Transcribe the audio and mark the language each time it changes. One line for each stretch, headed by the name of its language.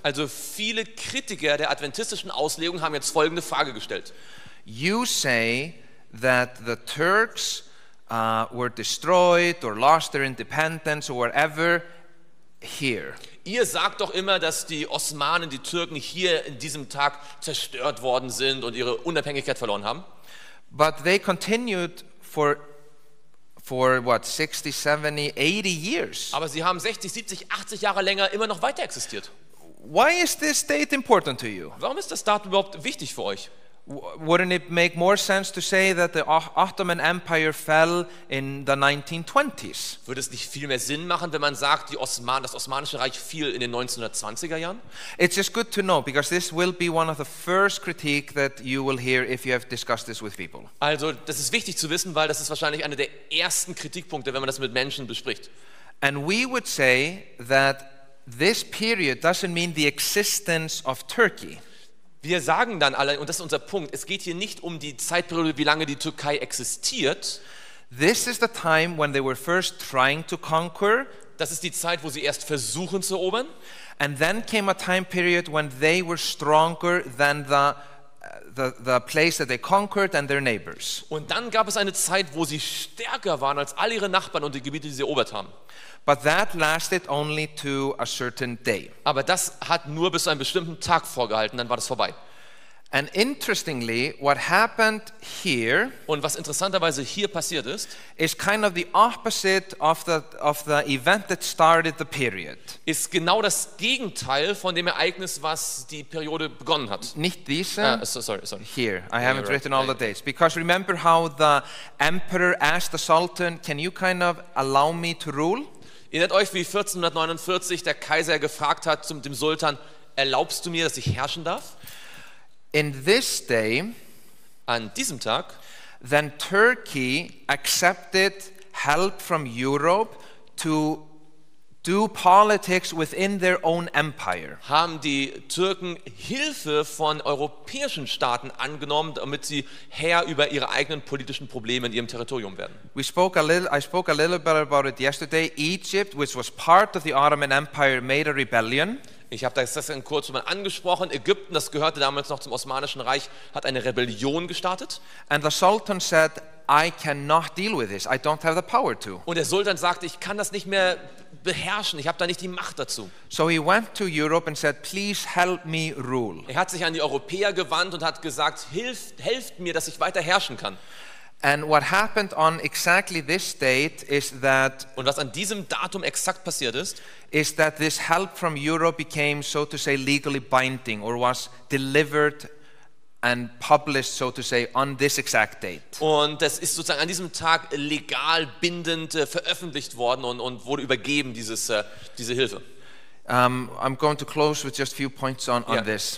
German: Also viele Kritiker der adventistischen Auslegung haben jetzt folgende Frage gestellt.
English: You say that the Turks were destroyed or lost their independence or whatever. Here.
German: Ihr sagt doch immer, dass die Osmanen, die Türken hier in diesem Tag zerstört worden sind und ihre Unabhängigkeit verloren haben.
English: But they continued for what, 60, 70, 80 years.
German: Aber sie haben 60, 70, 80 Jahre länger immer noch weiter existiert.
English: Why is this date important to you?
German: Warum ist das Datum überhaupt wichtig für euch?
English: Wouldn't it make more sense to say that the Ottoman Empire fell in the 1920s?
German: Würde es nicht viel mehr Sinn machen, wenn man sagt, das Osmanische Reich fiel in den 1920er Jahren?
English: It's just good to know, because this will be one of the first critique that you will hear if you have discussed this with people.
German: Also, das ist wichtig zu wissen, weil das ist wahrscheinlich einer der ersten Kritikpunkte, wenn man das mit Menschen bespricht.
English: And we would say that this period doesn't mean the existence of Turkey.
German: Wir sagen dann alle, und das ist unser Punkt, es geht hier nicht um die Zeitperiode, wie lange die Türkei existiert.
English: This is the time when they were first trying to conquer.
German: Das ist die Zeit, wo sie erst versuchen zu erobern.
English: And then came a time period when they were stronger than the place that they conquered and their neighbors.
German: Und dann gab es eine Zeit, wo sie stärker waren als all ihre Nachbarn und die Gebiete, die sie erobert haben.
English: But that lasted only to a certain day.
German: Aber das hat nur bis zu einem bestimmten Tag vorgehalten, dann war das vorbei.
English: And interestingly, what happened here,
German: und was interessanterweise hier passiert ist,
English: is kind of the opposite of the event that started the period.
German: Ist genau das Gegenteil von dem Ereignis, was die Periode begonnen hat. Nicht diese.
English: Sorry. Here, I haven't written all the dates. Because remember how the emperor asked the sultan, "Can you kind of allow me to rule?"
German: Ihr erinnert euch, wie 1449 der Kaiser gefragt hat zum dem Sultan, erlaubst du mir, dass ich herrschen darf?
English: In this day,
German: an diesem Tag,
English: then Turkey accepted help from Europe to do politics within their own empire.
German: Haben die Türken Hilfe von europäischen Staaten angenommen, damit sie Herr über ihre eigenen politischen Probleme in ihrem Territorium werden?
English: I spoke a little bit about it yesterday. Egypt, which was part of the Ottoman Empire, made a rebellion.
German: Ich habe das in kurzem mal angesprochen. Ägypten, das gehörte damals noch zum Osmanischen Reich, hat eine Rebellion gestartet.
English: And the Sultan said, I cannot deal with this. I don't have the power to.
German: Und der Sultan sagte, ich kann das nicht mehr beherrschen, ich habe da nicht die Macht dazu.
English: So he went to Europe and said, please help me rule.
German: Er hat sich an die Europäer gewandt und hat gesagt, helft mir, dass ich weiter herrschen kann.
English: And what happened on exactly this date is that,
German: und was an diesem Datum exakt passiert ist,
English: is that this help from Europe became, so to say, legally binding, or was delivered and published, so to say, on this exact date.
German: Und das ist sozusagen an diesem Tag legal bindend veröffentlicht worden und wurde übergeben, diese Hilfe.
English: I'm going to close with just a few points on this.